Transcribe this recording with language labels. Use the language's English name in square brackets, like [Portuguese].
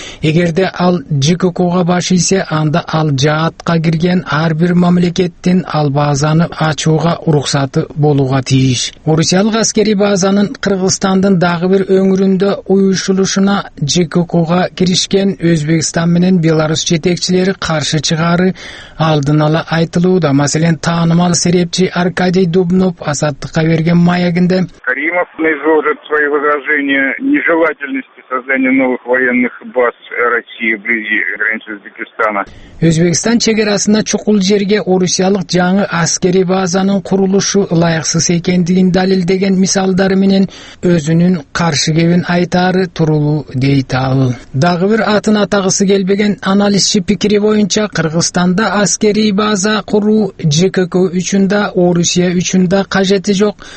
[Kyrgyz] Эгерде ал ЖККУга баш ийсе, анда ал жаатка кирген ар бир мамлекеттин ал базаны ачууга уруксаты болууга тийиш. Орусиялык аскерий базанын Кыргызстандын дагы бир өңүрүндө уюшулушуна ЖККУга киришкен Өзбекстан менен Беларусь жетекчилери каршы чыгары алдын ала айтылууда. Маселен, таанымал серепчи Аркадий Дубнов Асаттыкка берген маегинде [Russian] Каримов изложит свои возражения нежелательности создания новых военных баз России вблизи границы Узбекистана. [Kyrgyz] Өзбекстан чек арасында чукул жерге орусиялык жаңы аскерий базанын курулушу ылайыксыз экендигин далилдеген мисалдары менен өзүнүн каршы кебин айтары турулуу дейт ал. Дагы бир атын атагысы келбеген аналитикчи пикири боюнча Кыргызстанда аскерий база куруу ЖККУ үчүн да Орусия үчүн да кажети жок.